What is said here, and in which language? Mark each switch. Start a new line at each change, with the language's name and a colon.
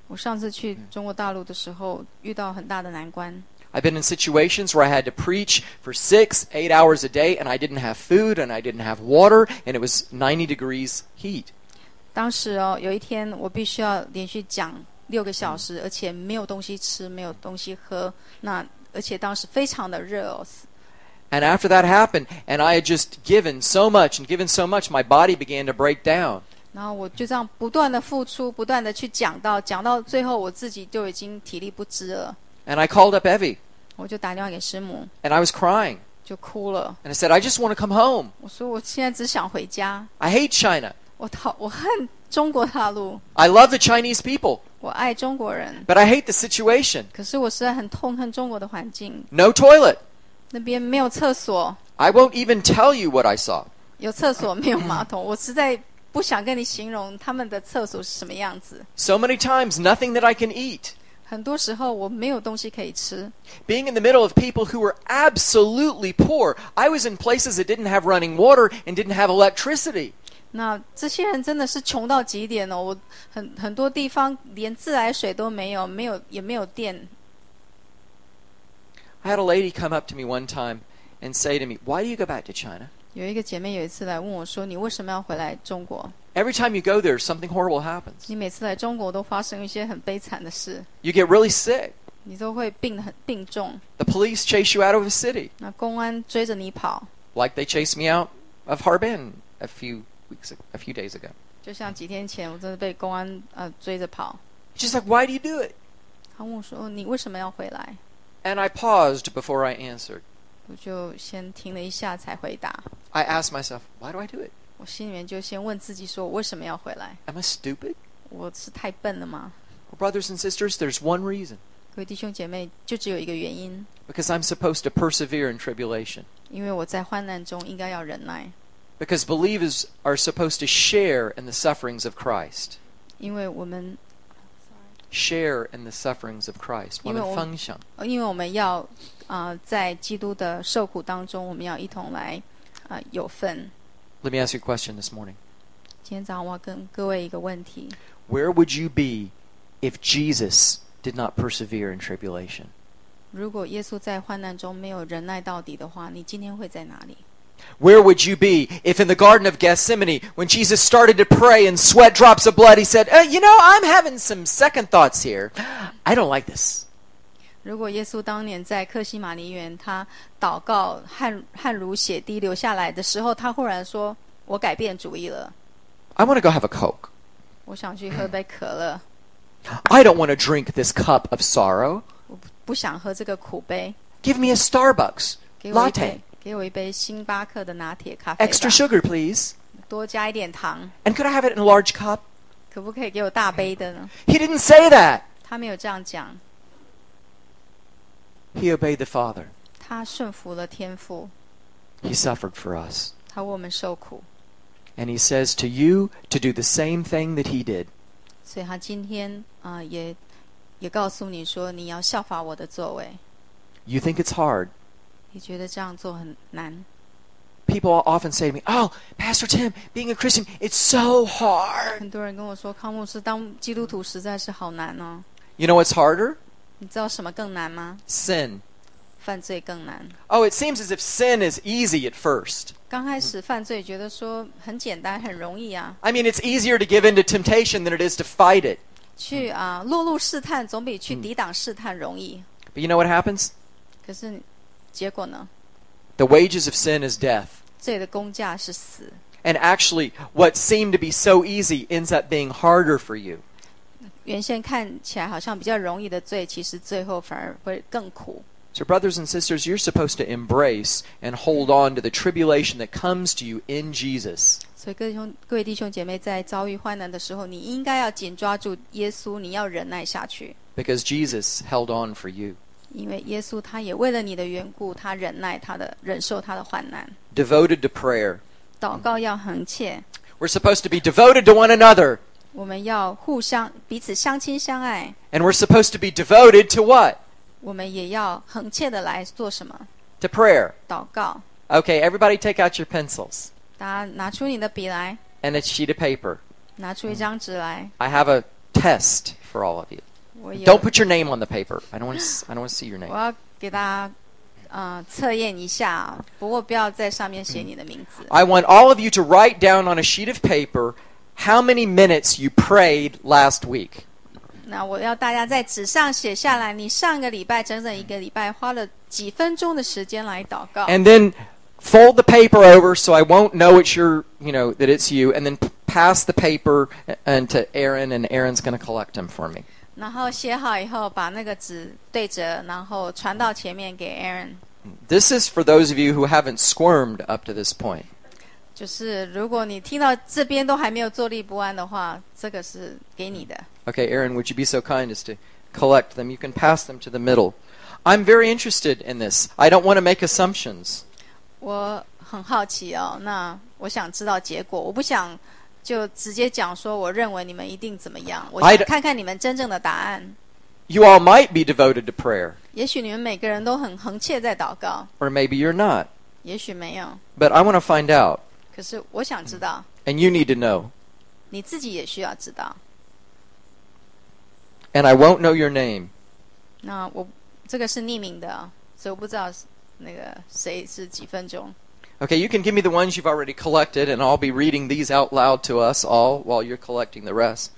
Chinese: 我上次去中国大陆的时候遇到很大的难关。
English: I've been in situations where I had to preach for 6-8 hours a day and I didn't have food and I didn't have water and it was 90 degrees heat.
Chinese: 当时有一天我必须要连续讲6个小时，而且没有东西吃，没有东西喝，那而且当时非常的热哦。
English: And after that happened, and I had just given so much and given so much, my body began to break down.
Chinese: 然后我就这样不断的付出，不断的去讲到最后，我自己就已经体力不支了。
English: And I called up Evie.
Chinese: 我就打电话给师母。
English: And I was crying.
Chinese: 就哭了。
English: And I said, I just want to come home.
Chinese: 我说我现在只想回家。
English: I hate China.
Chinese: 我恨中国大陆。
English: I love the Chinese people.
Chinese: 我爱中国人。
English: But I hate the situation.
Chinese: 可是我实在很痛恨中国的环境。
English: No toilet.
Chinese: 那边没有厕所。
English: I won't even tell you what I saw.
Chinese: 有厕所没有马桶，我实在不想跟你形容他们的厕所是什么样子。
English: So many times, nothing that I can eat.
Chinese: 很多时候我没有东西可以吃。
English: Being in the middle of people who were absolutely poor, I was in places that didn't have running water and didn't have electricity.
Chinese: 那这些人真的是穷到极点哦，我很多地方连自来水都没有，没有也没有电。
English: I had a lady come up to me one time and say to me, why do you go back to China?
Chinese: 有一个姐妹有一次来问我说你为什么要回来中国？
English: Every time you go there, something horrible happens.
Chinese: 你每次来中国都发生一些很悲惨的事。
English: You get really sick.
Chinese: 你都会病重。
English: The police chase you out of a city.
Chinese: 那公安追着你跑。
English: Like they chased me out of Harbin a few days ago.
Chinese: 就像几天前我真的被公安追着跑。
English: She's like, why do you do it?
Chinese: 她问我说你为什么要回来？
English: And I paused before I answered.
Chinese: 我就先停了一下才回答。
English: I asked myself, why do I do it?
Chinese: 我心里面就先问自己说我为什么要回来。
English: Am I stupid?
Chinese: 我是太笨了吗？
English: Well, brothers and sisters, there's one reason.
Chinese: 各位弟兄姐妹，就只有一个原因。
English: Because I'm supposed to persevere in tribulation.
Chinese: 因为我在患难中应该要忍耐。
English: Because believers are supposed to share in the sufferings of Christ.
Chinese: 因为我们
English: Share in the sufferings of Christ.
Chinese: 我们分享，因为我们要在基督的受苦当中，我们要一同来有份。
English: Let me ask you a question this morning.
Chinese: 今天早上我要跟各位一个问题。
English: Where would you be if Jesus did not persevere in tribulation?
Chinese: 如果耶稣在患难中没有忍耐到底的话，你今天会在哪里？
English: Where would you be if in the Garden of Gethsemane, when Jesus started to pray and sweat drops of blood, he said, I'm having some second thoughts here. I don't like this.
Chinese: 如果耶稣当年在克西马尼园他祷告汗如血滴流下来的时候，他忽然说，我改变主意了。
English: I want to go have a Coke.
Chinese: 我想去喝杯可乐。
English: I don't want to drink this cup of sorrow.
Chinese: 我不想喝这个苦杯。
English: Give me a Starbucks latte.
Chinese: 给我一杯星巴克的拿铁咖啡吧。
English: Extra sugar, please.
Chinese: 多加一点糖。
English: And could I have it in a large cup?
Chinese: 可不可以给我大杯的呢？
English: He didn't say that.
Chinese: 他没有这样讲。
English: He obeyed the Father.
Chinese: 他顺服了天父。
English: He suffered for us.
Chinese: 他为我们受苦。
English: And he says to you to do the same thing that he did.
Chinese: 所以他今天也告诉你说你要效法我的作为。
English: You think it's hard.
Chinese: 你觉得这样做很难。
English: People often say to me, "Oh, Pastor Tim, being a Christian, it's so hard."
Chinese: 很多人跟我说，康牧师当基督徒实在是好难哦。
English: You know what's harder?
Chinese: 你知道什么更难吗
English: ？Sin.
Chinese: 犯罪更难。
English: Oh, it seems as if sin is easy at first.
Chinese: 刚开始犯罪觉得说很简单，很容易啊。
English: I mean, it's easier to give in to temptation than it is to fight it.
Chinese: 去啊，落入试探总比去抵挡试探容易。
English: But you know what happens?
Chinese: 可是。结果呢?
English: The wages of sin is death.
Chinese: 罪的工价是死。
English: And actually, what seemed to be so easy ends up being harder for you.
Chinese: 原先看起来好像比较容易的罪，其实最后反而会更苦。
English: So brothers and sisters, you're supposed to embrace and hold on to the tribulation that comes to you in Jesus.
Chinese: 所以各位弟兄姐妹在遭遇患难的时候，你应该要紧抓住耶稣，你要忍耐下去。
English: Because Jesus held on for you.
Chinese: 因为耶稣他也为了你的缘故他忍耐他的忍受他的患难
English: devoted to prayer
Chinese: 祷告要恒切
English: we're supposed to be devoted to one another
Chinese: 我们要互相彼此相亲相爱
English: and we're supposed to be devoted to what
Chinese: 我们也要恒切的来做什么
English: to prayer
Chinese: 祷告
English: okay everybody take out your pencils
Chinese: 大家拿出你的笔来
English: and a sheet of paper
Chinese: 拿出一张纸来
English: I have a test for all of youDon't put your name on the paper. I don't want to see your name.
Chinese: 我要给大家测验一下，不过不要在上面写你的名字。
English: I want all of you to write down on a sheet of paper how many minutes you prayed last week.
Chinese: 那我要大家在纸上写下来，你上个礼拜整整一个礼拜花了几分钟的时间来祷告。
English: And then fold the paper over so I won't know it's your, you know, that it's you. And then pass the paper and to Aaron, and Aaron's going to collect them for me.
Chinese: 然后写好以后把那个纸对折然后传到前面给 Aaron
English: This is for those of you who haven't squirmed up to this point
Chinese: 就是如果你听到这边都还没有坐立不安的话这个是给你的
English: Okay Aaron would you be so kind as to collect them. You can pass them to the middle. I'm very interested in this. I don't want to make assumptions.
Chinese: 我很好奇哦，那我想知道结果。我不想就直接讲说我认为你们一定怎么样。我想看看你们真正的答案。
English: You all might be devoted to prayer.
Chinese: 也许你们每个人都很恒切在祷告。
English: Or maybe you're not.
Chinese: 也许没有。
English: But I want to find out.
Chinese: 可是我想知道。
English: And you need to know.
Chinese: 你自己也需要知道。
English: And I won't know your name.
Chinese: 那我这个是匿名的，所以我不知道那个谁是几分钟。
English: Okay, you can give me the ones you've already collected, and I'll be reading these out loud to us all while you're collecting the rest.